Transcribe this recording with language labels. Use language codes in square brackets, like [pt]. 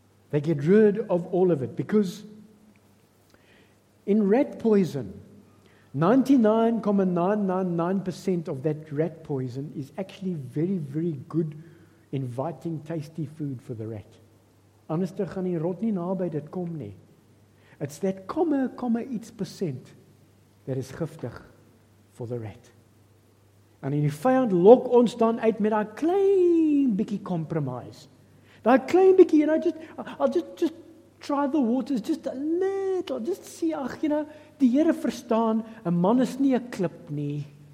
[en] They get rid of all of it because in rat poison, 99.999% of that rat poison is actually very, very good, inviting, tasty food for the rat. [af] Anders gaan die rot nie naby dit kom nie. [en] It's that %, that is giftig for the rat. [af] And in die vijand lok ons dan uit met daai klein bietjie compromise. Daai klein bietjie, you know, [en] I'll just try the waters just a little, just see, [af] ach, you know, die Here verstaan, 'n man is nie 'n klip nie.